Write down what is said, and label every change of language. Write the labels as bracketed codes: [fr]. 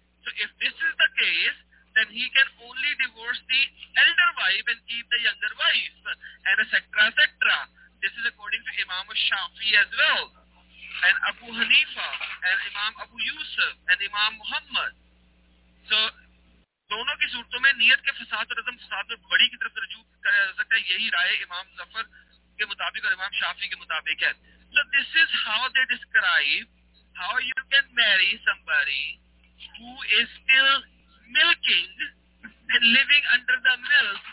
[en] So if this is the case, then he can only divorce the elder wife and keep the younger wife, and etc., etc. This is according to Imam Shafi as well, and Abu Hanifa, and Imam Abu Yusuf, and Imam Muhammad. [ur] So, دونوں کی صورتوں میں نیت کے فساد اور عزم فساد میں بڑی کی طرف رجوع کیا جا سکتا ہے, یہی رائے امام ظفر کے مطابق اور امام شافی کے مطابق ہے. [en] So this is how they describe how you can marry somebody who is still milking and living under the milk.